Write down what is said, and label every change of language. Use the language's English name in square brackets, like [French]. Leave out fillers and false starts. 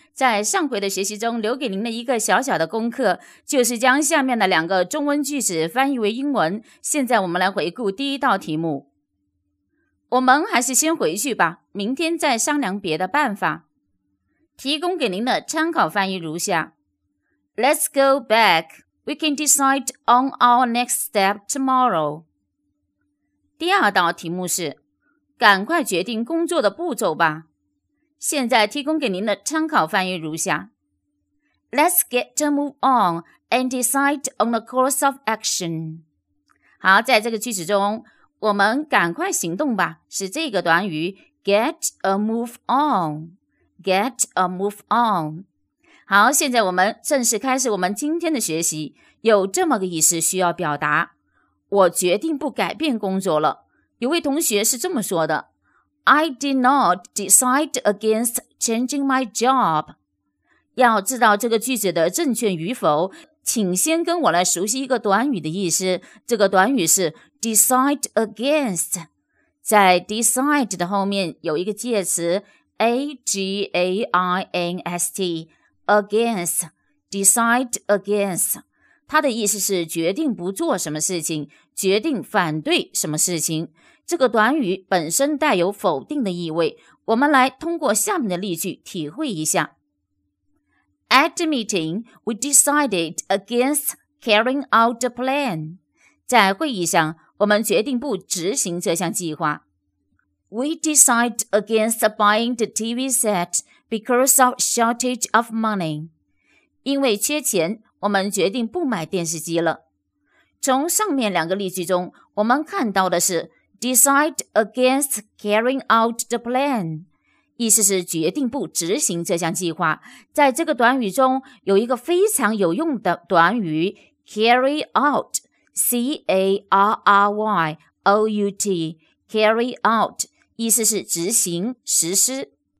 [Chinese] 在上回的学习中，留给您的一个小小的功课，就是将下面的两个中文句子翻译为英文。现在我们来回顾第一道题目。我们还是先回去吧，明天再商量别的办法。提供给您的参考翻译如下。 [English] Let's go back. We can decide on our next step tomorrow. [Chinese] 第二道题目是，赶快决定工作的步骤吧。现在提供给您的参考翻译如下。 [English] Let's get to move on and decide on the course of action. [Chinese] 好，在这个句子中，我们赶快行动吧，是这个短语 [English] get a move on。 Get a move on。 [Chinese] 好，现在我们正式开始我们今天的学习。有这么个意思需要表达，我决定不改变工作了。有位同学是这么说的， [English] I did not decide against changing my job。 [Chinese] 要知道这个句子的正确与否，请先跟我来熟悉一个短语的意思。这个短语是 decide against， 在 decide 的后面有一个介词 against，against, decide against, 它的意思是决定不做什么事情，决定反对什么事情。这个短语本身带有否定的意味，我们来通过下面的例句体会一下。 [English] At the meeting, we decided against carrying out the plan. [Chinese] 在会议上，我们决定不执行这项计划。 [English] We decided against buying the TV set,Because of shortage of money. [Chinese] 因为缺钱，我们决定不买电视机了。从上面两个例句中，我们看到的是 [English] decide against carrying out the plan， [Chinese] 意思是决定不执行这项计划。在这个短语中，有一个非常有用的短语 carry out， C-A-R-R-Y O-U-T， carry out， 意思是执行、实施。